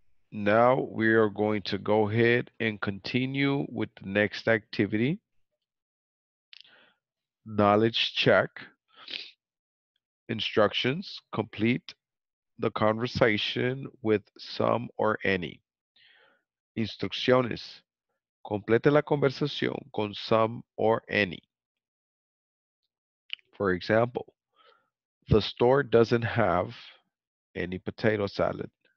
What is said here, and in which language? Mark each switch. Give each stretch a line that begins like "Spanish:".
English: Now we are going to go ahead and continue with the next activity, knowledge check. Instructions: complete the conversation with some or any.
Spanish: Instrucciones: complete la conversación con some or any.
English: For example, the store doesn't have any potato salad.